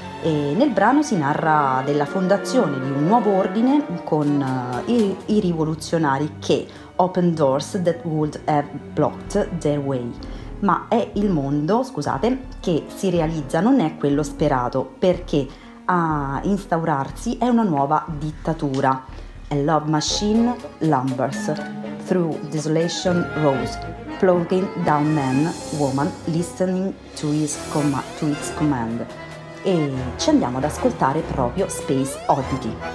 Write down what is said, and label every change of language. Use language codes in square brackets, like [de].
[it] E nel brano si narra della fondazione di un nuovo ordine con i rivoluzionari che [en] open doors that would have blocked their way. [it] Ma è il mondo, scusate, che si realizza, non è quello sperato, perché a instaurarsi è una nuova dittatura. [en] A love machine lumbers through desolation rows, plowing down man, woman, listening to its command. [it] E ci andiamo ad ascoltare proprio Space Oddity.